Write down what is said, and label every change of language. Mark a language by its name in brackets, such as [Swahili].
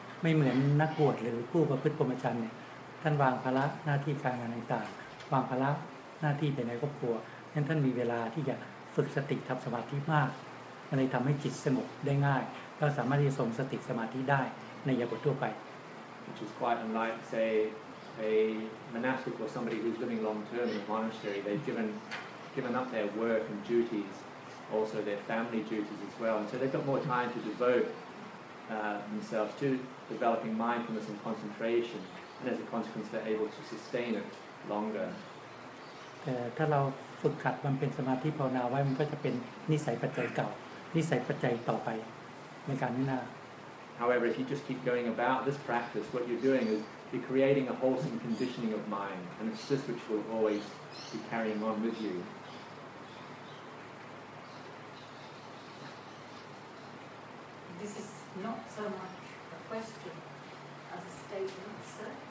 [Thai] ไม่เหมือนนักบวชหรือผู้ประพฤติพรหมจรรย์เนี่ยท่านวางภาระหน้าที่การงานต่างๆวางภาระหน้าที่ไปในครอบครัวนั้นท่านมีเวลาที่จะฝึกสติทับสมาธิมากมันเลยทำให้จิตสงบได้ง่ายเราสามารถที่จะทรงสติสมาธิได้ในยุคทั่วไป [English] Which is quite unlike sayA monastic or somebody who's living long term in a monastery, they've given up their work and duties also their family duties as well. And so they've got more time to devote themselves to developing mindfulness and concentration, and as a consequence they're able to sustain it longer. [Thai] ถ้าเราฝึกขัดมันเป็นสมาธิภาวนาไว้มันก็จะเป็นนิสัยปัจจัยเก่านิสัยปัจจัยต่อไปในการนี้นะ [English] However, if you just keep going about this practice, what you're doing is you're creating a wholesome conditioning of mind, and it's this which will always be carrying on with you. This is not so much a question as a statement, sir.